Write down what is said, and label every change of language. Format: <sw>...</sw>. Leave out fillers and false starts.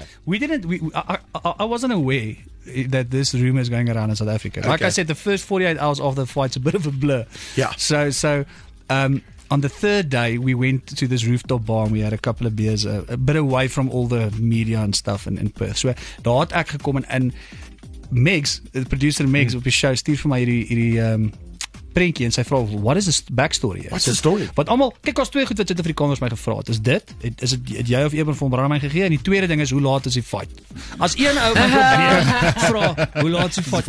<en>So I wasn't aware that this rumor is going around in South Africa. Like I said, the first 48 hours of the fight's a bit of a blur. Yeah. So on the third day, we went to this rooftop bar and we had a couple of beers, a bit away from all the media and stuff in Perth.</en> <af>So daar het ek gekom en Megs,</af> <en>the producer Megs</en> <af>op die show, stuur vir my hierdie prentjie en sy vra,</af> <en>what is the backstory? What's the story?</en> <af>Want allemaal, kyk, was twee goed wat Suid-Afrikaners my gevra het. Is dit? Het jy of Eben van Brandwijn gegeen? En die tweede ding is, hoe laat is die fight? As een ou my vra, hoe laat is die fight?</af>